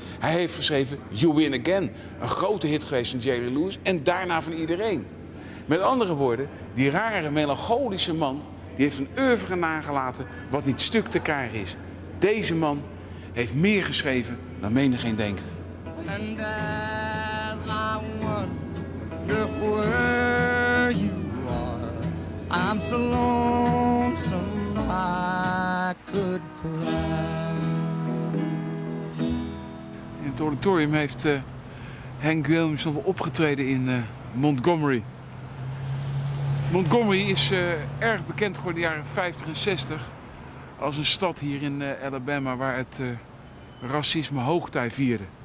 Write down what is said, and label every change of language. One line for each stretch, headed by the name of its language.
Dutch: Hij heeft geschreven You Win Again, een grote hit geweest van Jerry Lewis en daarna van iedereen. Met andere woorden, die rare melancholische man, die heeft een oeuvre nagelaten wat niet stuk te krijgen is. Deze man heeft meer geschreven dan menigeen denkt.
English: And as I wonder where you are, I'm so lonesome I could cry.
Dutch: In het auditorium heeft Hank Williams nog opgetreden in Montgomery. Montgomery is erg bekend geworden in de jaren 50 en 60 als een stad hier in Alabama waar het racisme hoogtij vierde.